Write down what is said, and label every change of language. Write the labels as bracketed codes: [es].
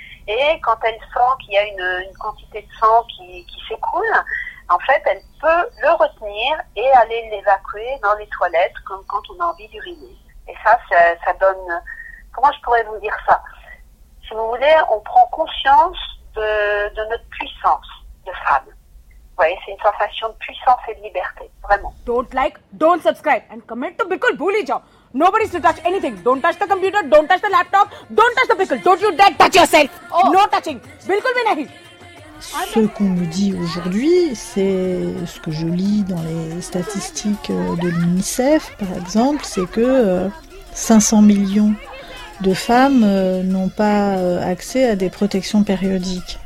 [fr] Et quand elle sent qu'il y a une quantité de sang qui s'écoule, en fait, elle peut le retenir et aller l'évacuer dans les toilettes comme quand on a envie d'uriner. Et ça donne... Comment je pourrais vous dire ça? Si vous voulez, on prend conscience de notre puissance de femme. Vous voyez, c'est une sensation de puissance et de liberté, vraiment. [en] Don't like, don't subscribe, and comment to Bickle Bully Job. Nobody should touch anything. Don't touch the computer, don't touch the laptop, don't touch the Bickle. Don't you dare touch yourself. Oh. No touching. [hi] Bilkul bhi nahi. [fr] Ce qu'on me dit aujourd'hui, c'est ce que je lis dans les statistiques de l'UNICEF, par exemple, c'est que 500 millions de femmes n'ont pas accès à des protections périodiques.